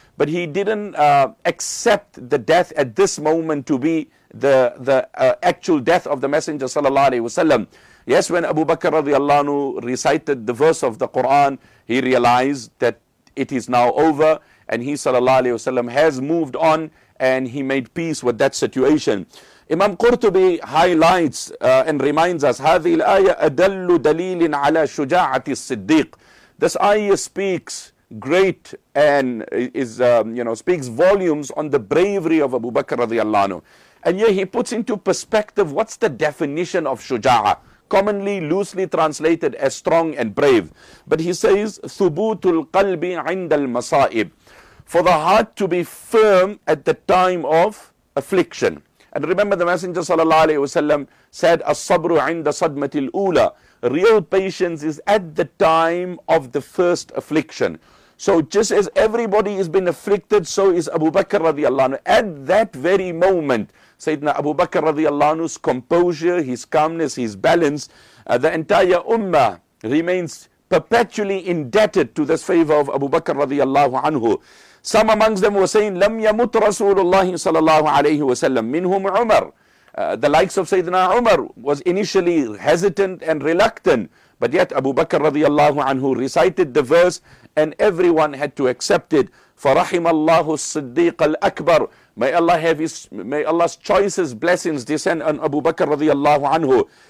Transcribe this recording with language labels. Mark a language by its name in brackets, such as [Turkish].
[English] But he didn't accept the death at this moment to be the actual death of the Messenger sallallahu alaihi wasallam. Yes, when Abu Bakr radiallahu anhu recited the verse of the Quran, he realized that it is now over, and he sallallahu alaihi wasallam has moved on, and he made peace with that situation. Imam Qurtubi highlights and reminds us, [Arabic] هذه الآية أدل دليل على شجاعة الصديق. [English] This ayah speaks great and is speaks volumes on the bravery of Abu Bakr radiallahu anhu. And here he puts into perspective what's the definition of shuja'a, commonly loosely translated as strong and brave. But he says, [Arabic] thubutul qalbi 'inda al-masa'ib, [English] for the heart to be firm at the time of affliction. And remember, the Messenger sallallahu alaihi wasallam said, [Arabic] as-sabru 'inda sadmatil ula, [English] real patience is at the time of the first affliction. So just as everybody has been afflicted, so is Abu Bakr radiallahu anhu. At that very moment, Sayyidina Abu Bakr radiallahu anhu's composure, his calmness, his balance, the entire ummah remains perpetually indebted to this favor of Abu Bakr radiallahu anhu. Some amongst them were saying, [Arabic] لم يمت رسول الله صلى الله عليه وسلم منهم عمر. [English] The likes of Sayyidina Umar was initially hesitant and reluctant, but yet Abu Bakr radiallahu anhu recited the verse, and everyone had to accept it. [Arabic] فَرَحِمَ اللَّهُ الصِّدِّيقَ الْأَكْبَرُ. [English] May Allah have his, may Allah's choicest blessings descend on Abu Bakr radiallahu anhu.